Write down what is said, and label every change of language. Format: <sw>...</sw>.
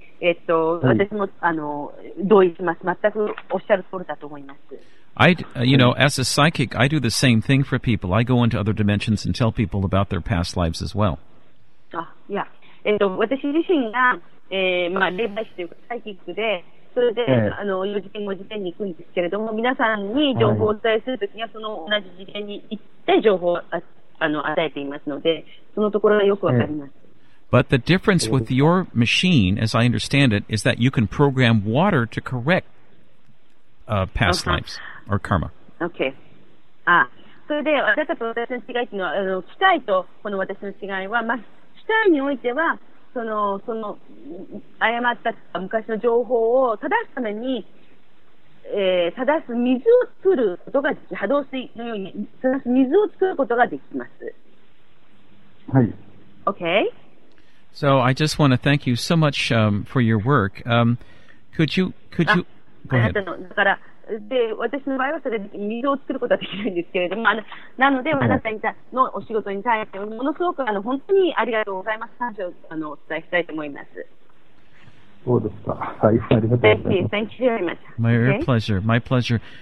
<en>You know, as a psychic, I do the same thing for people. I go into other dimensions and tell people about their past lives as well. Yeah.</en> <ja>私自身が、霊媒師というか、サイキックで、それで、4次元、5次元に行くんですけれども、皆さんに情報をお伝えするときには、その同じ次元に行って情報を与えていますので、そのところがよくわかります。</ja> <en>But the difference with your machine, as I understand it, is that you can program water to correct past lives or karma. Okay.</en> <ja>それで、あなたと私の違いというのは、機械とこの私の違いは、まあ、機械においては、その誤った昔の情報を正すために、正す水を作ることが、波動水のように、正す水を作ることができます。はい。</ja> <en>Okay? So I just want to thank you so much for your work. Could you go ahead?</en> <ja>だから、で、私の場合はそれで水を作ることができるんですけれども、なので、あなたにのお仕事に対してものすごく本当にありがとうございます。感謝をお伝えしたいと思います。</ja> <en>My pleasure. My pleasure.</en>